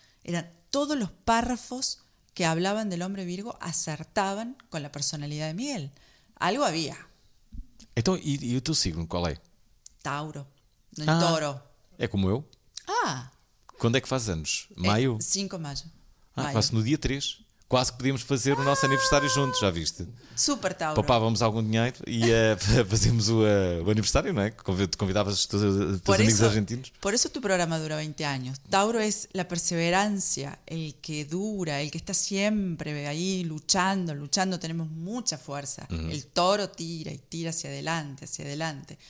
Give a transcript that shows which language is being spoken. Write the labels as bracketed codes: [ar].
[es] Eran todos los párrafos que hablaban del hombre Virgo acertaban con la personalidad de Miguel. Algo había. Entonces, ¿y tu signo cuál es? Tauro, toro. ¿Es como yo? Ah. ¿Cuándo es que haces años? ¿Mayo? 5 de mayo. [pt] Ah, faço no día 3. Quase que podíamos fazer o nosso aniversário juntos, já viste? [es] Super Tauro. [pt] Poupávamos algum dinheiro e fazíamos o aniversário, não é? Convidavas os teus amigos argentinos. Por isso o teu programa dura 20 anos. Tauro é a perseverança, o que dura, o que está sempre aí lutando, temos muita força. [es] O toro tira e tira hacia adelante.